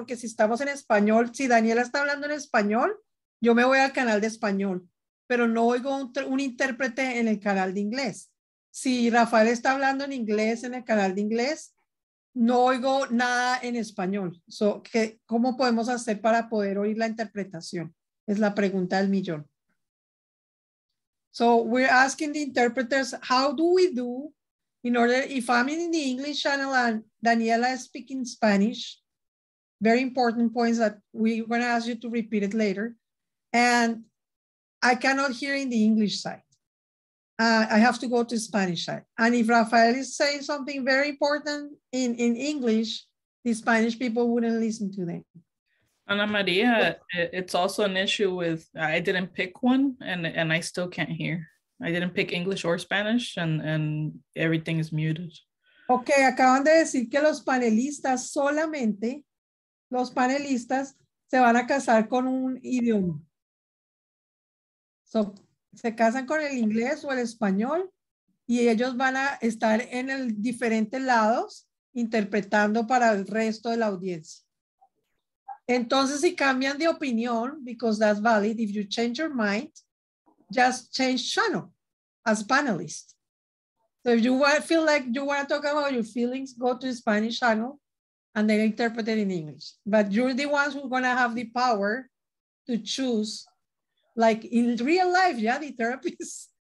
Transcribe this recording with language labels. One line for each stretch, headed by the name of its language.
Spanish: Porque si estamos en español, si Daniela está hablando en español, yo me voy al canal de español, pero no oigo un intérprete en el canal de inglés. Si Rafael está hablando en inglés en el canal de inglés, no oigo nada en español. So, ¿qué, cómo podemos hacer para poder oír la interpretación? Es la pregunta del millón.
English: So we're asking the interpreters, how do we do in order, if I'm in the English channel and Daniela is speaking Spanish, very important points that we're going to ask you to repeat it later. And I cannot hear in the English side. I have to go to Spanish side. And if Rafael is saying something very important in English, the Spanish people wouldn't listen to them. Ana Maria, it's also an issue with, I didn't pick one and I still can't hear. I didn't pick English or Spanish and everything is muted.
Spanish: Okay, acaban de decir que los panelistas solamente, los panelistas se van a casar con un idioma. So, se casan con el inglés o el español y ellos van a estar en el diferentes lados interpretando para el resto de la audiencia. Entonces, si cambian de opinión,
English: because that's valid, if you change your mind, just change channel as panelist. So if you want, feel like you want to talk about your feelings, go to the Spanish channel and then interpret it in English. But you're the ones who are going to have the power to choose, like in real life, yeah, the therapist.